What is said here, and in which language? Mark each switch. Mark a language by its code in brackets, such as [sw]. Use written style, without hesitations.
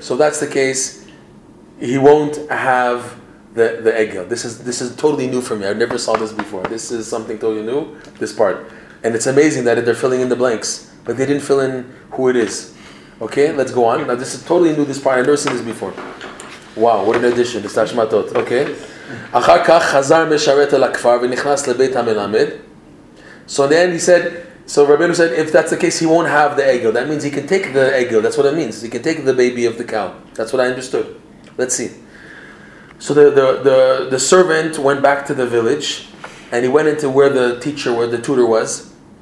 [en] So that's the case, he won't have the egel. This is totally new for me. I never saw this before. This is something totally new, this part. And it's amazing that they're filling in the blanks, but they didn't fill in who it is. Okay, let's go on. Now this is totally new, this part. I've never seen this before. Wow, what an addition. It's Tashmatot. Okay. [he] אחר כך חזר משרת אל הכפר ונכנס לבית המלמד. [en] So then he said, so Rabbeinu said, if that's the case, he won't have the egel. That means he can take the egel. That's what it means. He can take the baby of the cow. That's what I understood. Let's see. So the servant went back to the village, and he went into where the tutor was.